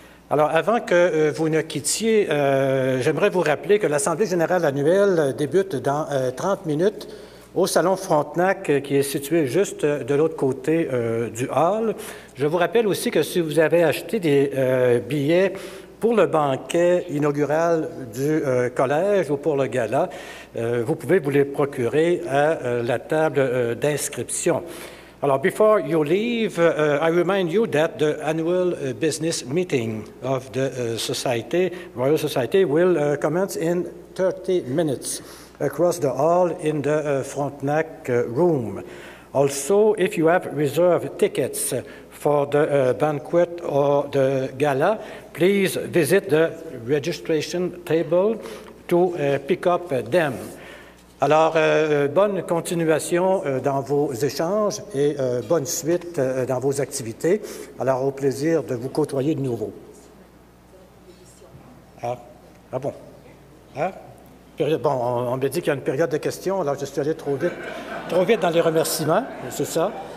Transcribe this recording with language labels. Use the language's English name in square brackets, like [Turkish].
[French] Alors, avant que vous ne quittiez, j'aimerais vous rappeler que l'Assemblée générale annuelle débute dans 30 minutes au Salon Frontenac, qui est situé juste de l'autre côté du hall. Je vous rappelle aussi que si vous avez acheté des billets pour le banquet inaugural du collège ou pour le gala, vous pouvez vous les procurer à la table d'inscription. [English] Alors, before you leave, I remind you that the annual business meeting of the society, Royal Society, will commence in 30 minutes. Across the hall in the Frontenac room. Also, if you have reserved tickets for the banquet or the gala, please visit the registration table to pick up them. [French] Alors, bonne continuation dans vos échanges et bonne suite dans vos activités. Alors, au plaisir de vous côtoyer de nouveau. Ah bon? Hein? Bon, on me dit qu'il y a une période de questions, alors je suis allé trop vite dans les remerciements, c'est ça.